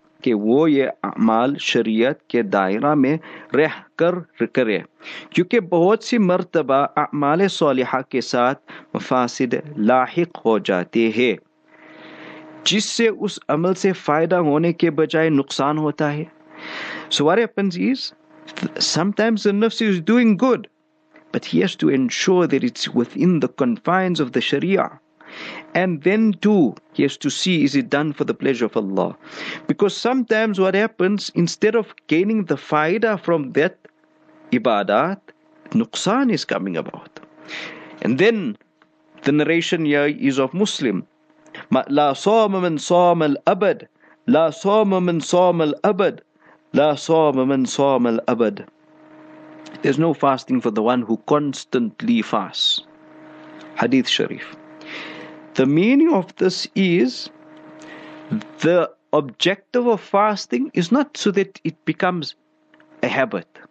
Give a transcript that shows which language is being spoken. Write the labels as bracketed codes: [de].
[ur] کہ وہ یہ اعمال شریعت کے دائرہ میں رہ کر کرے، کیونکہ بہت سی مرتبہ اعمال صالحہ کے ساتھ مفاسد لاحق ہو جاتے ہیں، جس سے اس عمل سے فائدہ ہونے کے بجائے نقصان ہوتا ہے. سوارے پنزیز، [en] sometimes the nafs is doing good, but he has to ensure that it's within the confines of the sharia. And then too, he has to see, is it done for the pleasure of Allah? Because sometimes what happens, instead of gaining the faida from that ibadat, nuqsan is coming about. And then the narration here is of Muslim. [ar] لا صام من صام الأبد، لا صام من صام الأبد، لا صام من صام الأبد. [en] There's no fasting for the one who constantly fasts. Hadith Sharif. The meaning of this is, the objective of fasting is not so that it becomes a habit.